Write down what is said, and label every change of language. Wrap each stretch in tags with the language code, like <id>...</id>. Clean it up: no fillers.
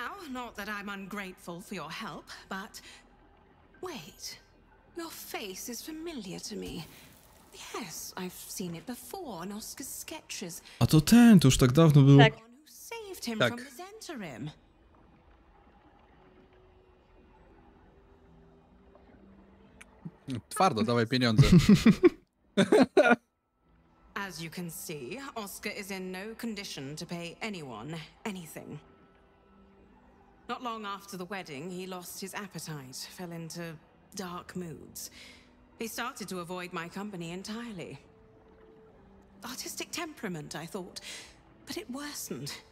<en>Not that I'm ungrateful for your help, but wait, your face is familiar to me. Yes, I've seen it before in Oscar's sketches.</en> <pl>A to ten, to już tak dawno był. Tak.</pl> <en>Saved him tak. From his interim. Hmm.</en> <pl>Twardo, dawaj pieniądze.</pl> <en>As you can see, Oscar is in no condition to pay anyone anything. Not long after the wedding, he lost his appetite, fell into dark moods. He started to avoid my company entirely. Artistic temperament, I thought, but it worsened.</en>